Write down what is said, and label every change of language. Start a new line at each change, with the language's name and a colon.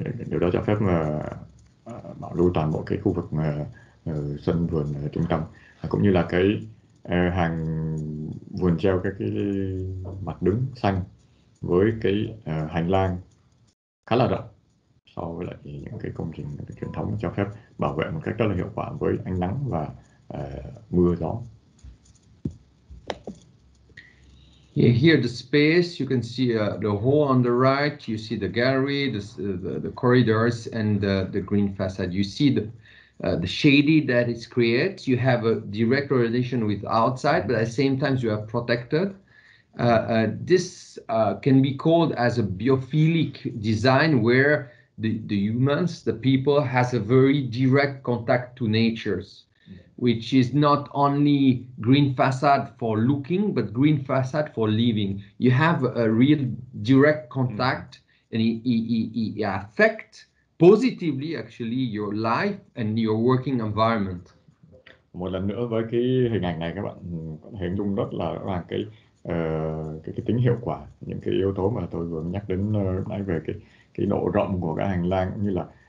Vietnamese: Điều đó cho phép bảo lưu toàn bộ cái khu vực sân vườn ở trung tâm, cũng như là cái hàng vườn treo các cái mặt đứng xanh với cái hành lang khá là rộng so với lại những cái công trình truyền thống, cho phép bảo vệ một cách rất là hiệu quả với ánh nắng và mưa gió.
English: Here the space, you can see the hall on the right, you see the gallery, the corridors, and the green facade. You see the shady that is created. You have a direct relation with outside, but at the same time you are protected. This can be called as a biophilic design, where the humans, the people, has a very direct contact to nature's, which is not only green facade for looking, but green facade for living. You have a real direct contact, and it affects positively, actually, your life and your working environment.
Vietnamese: Một lần nữa với cái hình ảnh này, các bạn có thể hình dung rất là rõ ràng cái tính hiệu quả, những cái yếu tố mà tôi vừa nhắc đến nãy về cái độ rộng của cái hành lang, cũng như là